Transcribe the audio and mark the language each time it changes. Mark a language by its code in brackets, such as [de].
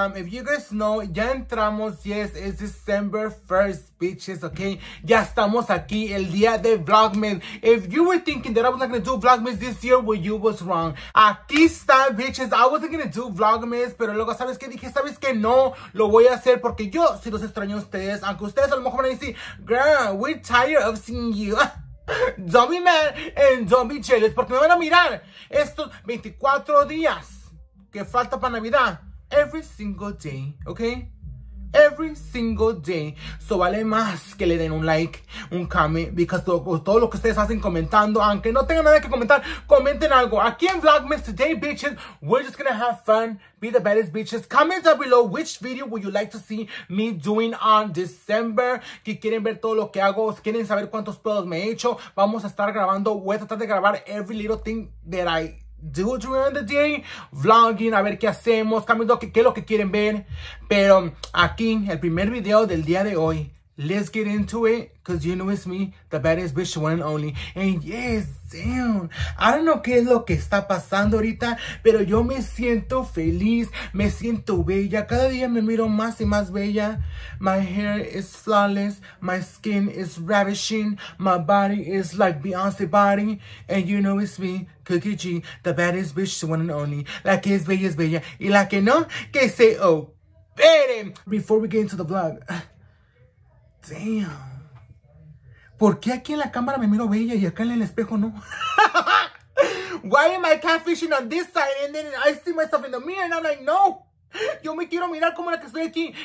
[en] If you guys know, [es] ya entramos, [en] yes, it's December 1st, bitches, okay? [es] Ya estamos aquí, el día de Vlogmas. [en] If you were thinking that I was not gonna do Vlogmas this year, well, you was wrong. [es] Aquí está, [en] bitches, I wasn't gonna do Vlogmas, [es] pero luego, ¿sabes qué? Dije, ¿sabes qué? No, lo voy a hacer porque yo sí los extraño a ustedes, aunque ustedes a lo mejor van a decir, [en] girl, we're tired of seeing you. Don't be mad and don't be jealous, [es] porque me van a mirar estos 24 días que falta para Navidad. [en] Every single day, okay? Every single day. [es] So vale más que le den un like, un comment, because todo lo que ustedes hacen comentando, aunque no tengan nada que comentar, comenten algo. Aquí en Vlogmas [en] today, bitches, we're just gonna have fun, be the baddest bitches. Comment down below which video would you like to see me doing on December. [es] Que quieren ver todo lo que hago, quieren saber cuántos pedos me he hecho. Vamos a estar grabando, voy a tratar de grabar [en] every little thing that I do during the day, [es] vlogging, a ver qué hacemos, cambiando qué es lo que quieren ver. Pero aquí, el primer video del día de hoy, [en] let's get into it, because you know it's me, the baddest bitch, one and only. And yes, damn, I don't know [es] qué es lo que está pasando ahorita, pero yo me siento feliz, me siento bella, cada día me miro más y más bella. [en] My hair is flawless, my skin is ravishing, my body is like Beyonce body, and you know it's me, Cookie G, the baddest bitch, one and only. [es] La que es bella es bella, y la que no, que se opere. [en] Before we get into the vlog, damn, [es] ¿por qué aquí en la cámara me miro bella y acá en el espejo no? [en] Why am I catfishing on this side and then I see myself in the mirror and I'm like, no, [es] yo me quiero mirar como la que estoy aquí.